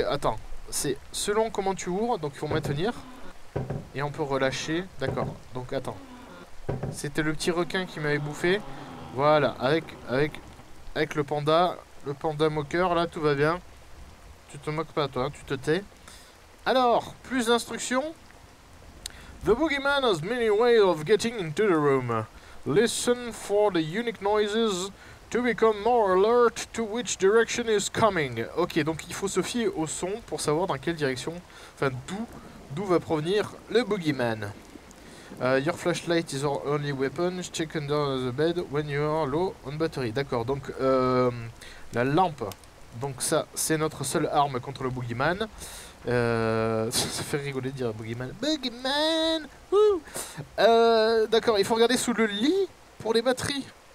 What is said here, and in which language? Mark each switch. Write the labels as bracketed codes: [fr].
[fr] Attends, c'est selon comment tu ouvres, donc il faut maintenir. Et on peut relâcher, d'accord. Donc attends. C'était le petit requin qui m'avait bouffé. Voilà, avec le panda moqueur, là tout va bien. Tu te moques pas toi, tu te tais. Alors, plus d'instructions. [en] The boogeyman has many ways of getting into the room. Listen for the unique noises to become more alert to which direction is coming. [fr] Ok, donc il faut se fier au son pour savoir dans quelle direction, enfin d'où va provenir le boogeyman. [en] Your flashlight is our only weapon. Check under the bed when you are low on battery. [fr] D'accord, donc la lampe. Donc ça, c'est notre seule arme contre le boogeyman. Ça fait rigoler de dire boogeyman. Boogeyman! D'accord, il faut regarder sous le lit pour les batteries.